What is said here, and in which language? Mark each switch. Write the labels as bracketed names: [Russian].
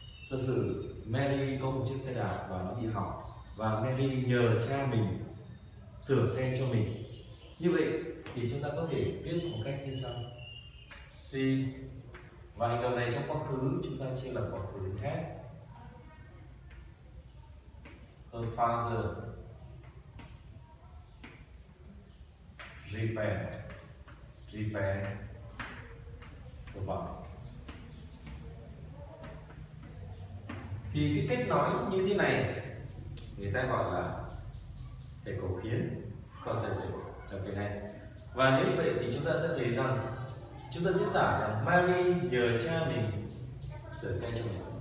[Vietnamese] Giả sử Mary có một chiếc xe đạp và nó bị hỏng và Mary nhờ cha mình sửa xe cho mình. Như vậy thì chúng ta có thể viết một cách như sau. She, và hành động này trong quá khứ chúng ta chia làm quá khứ khác. [English] Her father repaired the bike. [Vietnamese] Thì cái cách nói như thế này người ta gọi là cái cổ khiến có sự dịch trong cái này. Và nếu vậy thì chúng ta sẽ thấy rằng chúng ta diễn tả rằng Mary nhờ cha mình sửa xe cho mình.